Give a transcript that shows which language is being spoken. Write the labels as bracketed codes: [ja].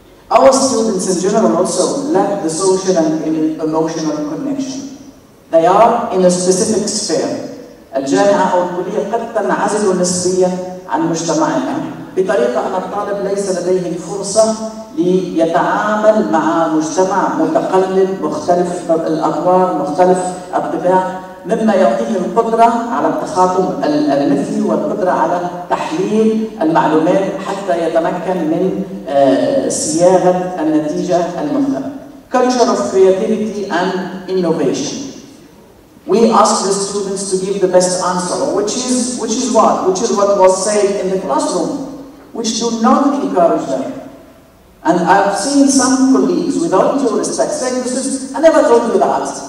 [en] Our students in general also lack the social and emotional connection. They are in a specific sphere. [ar] الجامعة أو الكلية قد تنعزلوا نسبيا عن مجتمعنا بطريقة أن الطالب ليس لديه فرصة ليتعامل مع مجتمع متقلب مختلف الأطوار مختلف الطباع، مما يعطيه القدرة على التخاطب المثلي والقدرة على تحليل المعلومات حتى يتمكن من صياغة النتيجة المطلوبة. [en] Culture of creativity and innovation. We ask the students to give the best answer, which is what was said in the classroom, which do not encourage them. And I've seen some colleagues, without due respect, saying, "This is, I never told you that.